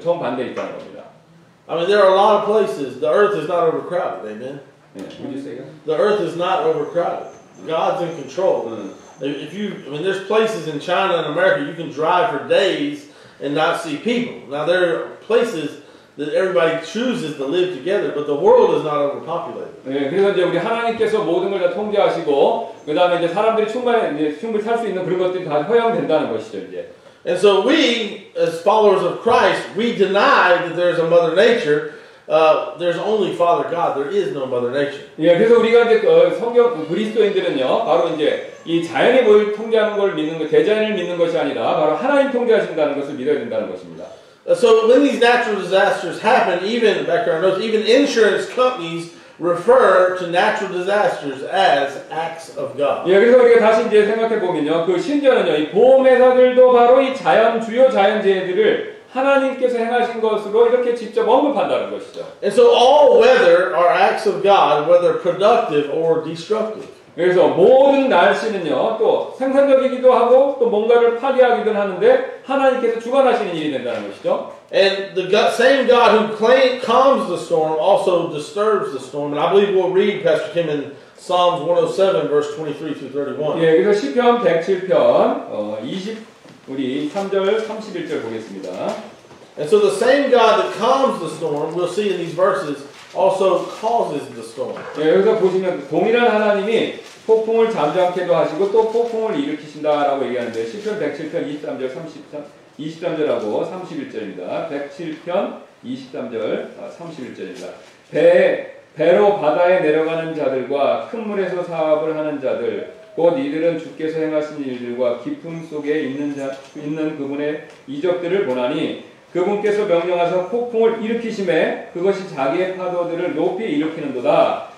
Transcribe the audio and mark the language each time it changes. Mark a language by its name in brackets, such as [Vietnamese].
[Korean] 정반대 있다는 겁니다. [English] I mean, there are a lot of places. The earth is not overcrowded. Amen. 예, would you say that? The earth is not overcrowded. God's in control. If you, I mean, there's places in China and America you can drive for days and not see people. Now there are places that everybody chooses to live together, but the world is not overpopulated. [Korean] 예, 그래서 이제 우리 하나님께서 모든 걸 다 통제하시고, 그 다음에 이제 사람들이 충분히 살 수 있는 그런 것들이 다 허용된다는 것이죠, 이제. [English] And so we, as followers of Christ, we deny that there's a Mother Nature. There's only Father God. There is no Mother Nature. [Korean] 예, 그래서 우리가 이제 성경 그리스도인들은요, 바로 이제 이 자연이 뭘 통제하는 걸 믿는 것, 대자연을 믿는 것이 아니라 바로 하나님 통제하신다는 것을 믿어야 된다는 것입니다. [English] So when these natural disasters happen, even background notes, even insurance companies refer to natural disasters as acts of God. [Korean] 예, 그래서 우리가 다시 이제 생각해 보면요, 그 심지어는요, 이 보험회사들도 바로 이 자연 주요 자연재해들을 하나님께서 행하신 것으로 이렇게 직접 언급한다는 것이죠. [English] And so all weather are acts of God, whether productive or destructive. [Korean] 그래서 모든 날씨는요, 또 생산적이기도 하고 또 뭔가를 파괴하기도 하는데 하나님께서 주관하시는 일이 된다는 것이죠. [English] And the God, same God who calms the storm also disturbs the storm. And I believe we'll read Pastor Kim in Psalms 107, verse 23 through 31. [Korean] 예, 그래서 시편 107편 우리 3절 31절 보겠습니다. [English] And so the same God that calms the storm, we'll see in these verses, also causes the storm. [Korean] 예, 여기서 보시면 동일한 하나님이 폭풍을 잠잠케도 하시고 또 폭풍을 일으키신다라고 얘기하는데 시편 107편 23절 23절하고 31절입니다. 107편 23절 31절입니다. 배로 바다에 내려가는 자들과 큰 물에서 사업을 하는 자들 곧 이들은 주께서 행하신 일들과 깊음 속에 있는 그분의 이적들을 보나니 그분께서 명령하사 폭풍을 일으키심에 그것이 자기의 파도들을 높이 일으키는도다.